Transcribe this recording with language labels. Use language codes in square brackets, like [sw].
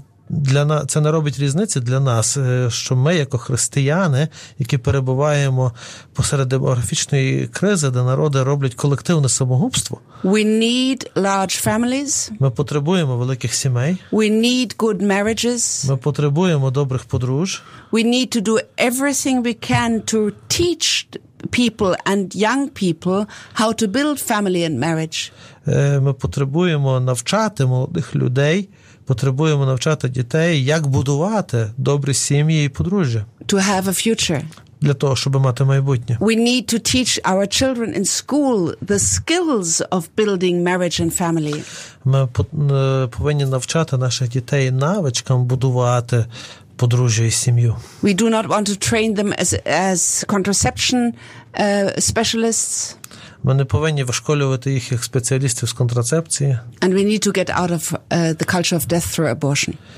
[uk] Для нас це не робить різниці для нас, що ми, як християни, які перебуваємо посеред демографічної кризи, де народи роблять колективне самогубство. [en] We need large families. [uk] Ми потребуємо великих сімей. [en] We need good marriages. [uk] Ми потребуємо добрих подруж. [en] We need to do everything we can to teach people and young people how to build family and marriage. [uk] Ми потребуємо навчати молодих людей. Потребуємо навчати дітей, як будувати добрі сім'ї і подружжя. [en] To have a future. [uk] Для того, щоб мати майбутнє. [en] We need to teach our children in school the skills of building marriage and family. [uk] Ми повинні навчати наших дітей навичкам будувати подружжя і сім'ю. [en] We do not want to train them as contraception specialists. [uk] Ми не повинні вишколювати їх як спеціалістів з контрацепції. [en] And we need to get out of the culture of death through abortion.